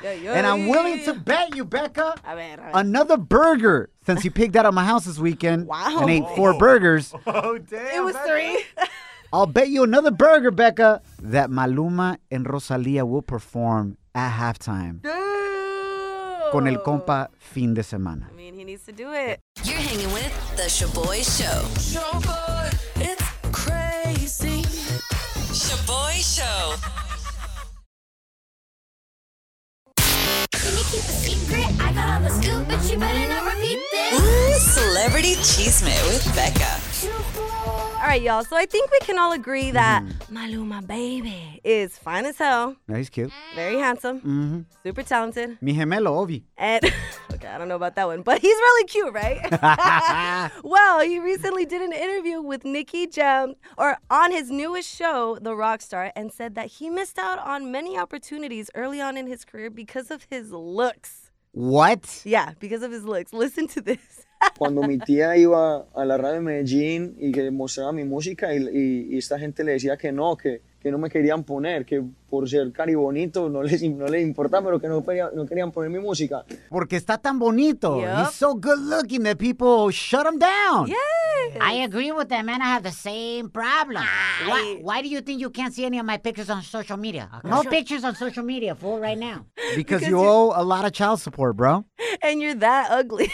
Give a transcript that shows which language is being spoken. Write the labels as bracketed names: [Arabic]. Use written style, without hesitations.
[English] Yeah, and I'm willing to bet you, Becca, [Spanish] a ver. [English] Another burger, since you pigged out of my house this weekend and ate four burgers. Oh, damn. It was Becca. Three. I'll bet you another burger, Becca, that Maluma and Rosalia will perform at halftime. [Spanish] Con el compa fin de semana. [English] I mean, he needs to do it. You're hanging with the Shaboy Show. Shaboy, it's crazy. Shaboy Show. Can you keep a secret? I got all the scoop, but you better not repeat this. Ooh, celebrity cheesemate with Becca. All right, y'all. So I think we can all agree that Maluma, baby, is fine as hell. No, he's cute. Very handsome. Mm-hmm. Super talented. [Spanish] Mi gemelo, Ovi. [English] And, okay, I don't know about that one, but he's really cute, right? Well, he recently did an interview with Nicki Jam on his newest show, The Rockstar, and said that he missed out on many opportunities early on in his career because of his looks. What? Yeah, because of his looks. Listen to this. [Spanish] Cuando mi tía iba a la radio de Medellín y que mostraba mi música y esta gente le decía que no me querían poner, que por ser cari bonito no les importaba, pero que no querían poner mi música. Porque está tan bonito. [English] Yep. He's so good looking that people shut him down. Yeah. I agree with that, man. I have the same problem. Why do you think you can't see any of my pictures on social media? Okay. No pictures on social media, fool, right now. Because you owe a lot of child support, bro. And you're that ugly.